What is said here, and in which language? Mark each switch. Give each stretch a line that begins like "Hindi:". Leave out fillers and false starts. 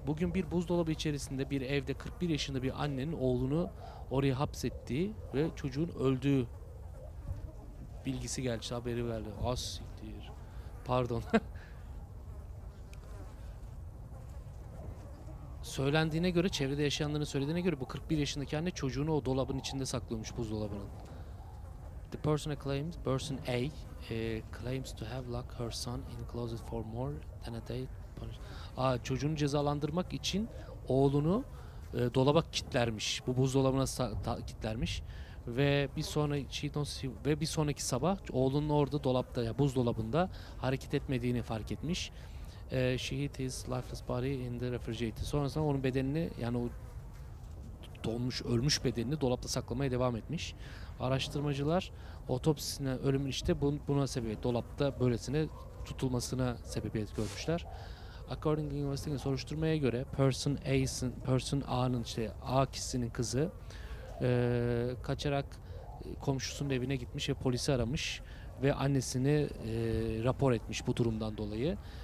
Turkish: Bugün bir buzdolabı içerisinde bir evde 41 yaşında bir annenin oğlunu oraya hapsettiği ve çocuğun öldüğü bilgisi geldi, haberi verdi. As siktir. Pardon. Söylendiğine göre, çevrede yaşayanların söylediğine göre bu 41 yaşındaki anne çocuğunu o dolabın içinde saklıyormuş, buzdolabının.
English: The person claims, person A claims to have locked her son in closet for more than a day.
Turkish: Çocuğunu cezalandırmak için oğlunu dolaba kilitlermiş. Bu buzdolabına kilitlermiş. Ve bir sonraki sabah oğlunun orada dolapta, ya buzdolabında hareket etmediğini fark etmiş.
English: She hid his lifeless body in the refrigerator.
Turkish: Sonrasında onun bedenini, yani o donmuş, ölmüş bedenini dolapta saklamaya devam etmiş. Araştırmacılar otopsisine ölümün işte buna sebebi, dolapta böylesine tutulmasına sebebiyet görmüşler.
English: According to investigation,
Turkish: soruşturmaya göre person A'sin, person A'nın, işte A kişisinin kızı kaçarak komşusunun evine gitmiş ve polisi aramış ve annesini rapor etmiş bu durumdan dolayı.